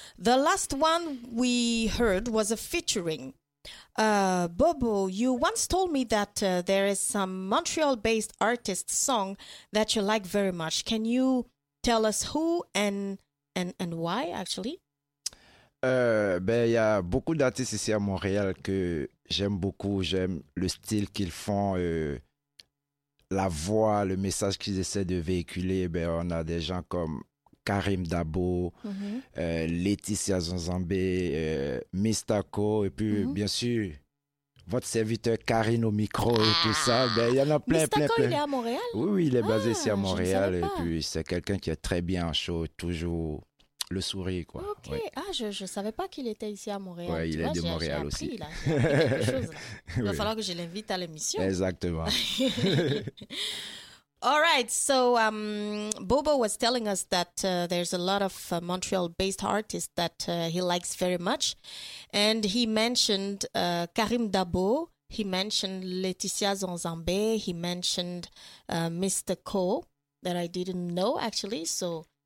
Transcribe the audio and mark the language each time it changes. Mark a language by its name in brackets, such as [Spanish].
[English] The last one we heard was a featuring. Bobo, you once told me that there is some Montreal-based artist song that you like very much. Can you tell us who and why, actually? [French] Y a beaucoup d'artistes ici à Montréal que j'aime beaucoup. J'aime le style qu'ils font. La voix, le message qu'ils essaient de véhiculer, ben on a des gens comme Karim Dabo, Laetitia Zanzambé, Mr. Co, et puis bien sûr, votre serviteur Karine au micro et tout ça. Ben, il y en a plein, Mr. Co, il est à Montréal? Oui, oui, il est basé ici à Montréal. Et puis, c'est quelqu'un qui est très bien en show, toujours le sourire, quoi. OK. Ouais. Ah, je ne savais pas qu'il était ici à Montréal. Oui, il vois, est de Montréal aussi. J'ai appris, là. Il va falloir que je l'invite à l'émission. Exactement. [English] All right. So, Bobo was telling us that there's a lot of Montreal-based artists that he likes very much. And he mentioned Karim Dabo. He mentioned Laetitia Zanzambé. He mentioned Mr. Co, that I didn't know, actually. So,